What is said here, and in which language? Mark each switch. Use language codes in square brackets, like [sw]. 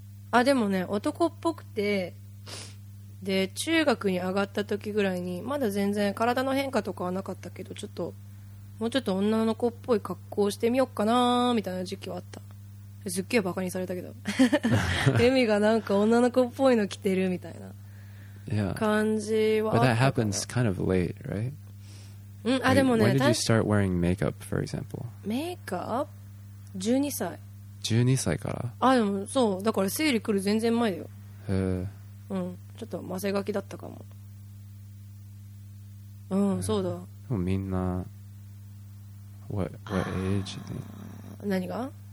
[ja] あ、でもね、男っぽくて、で、中学に上がった時ぐらいに、まだ全然体の変化とかはなかったけど、ちょっと、もうちょっと女の子っぽい格好をしてみようかなみたいな時期はあった。すっげえバカにされたけど、エミがなんか女の子っぽいの着てるみたいな感じは。 [en] But that happens kind of late, right? [ja] うん、あでもね、 [en] When did you start wearing makeup, for example? [ja] Makeup? 12歳。 12歳から？あでもそう、だから生理来る全然前だよ。へえ。うん、ちょっとマセガキだったかも。うん、そうだ。でもみんな、 [en] what age? [ja] 何が？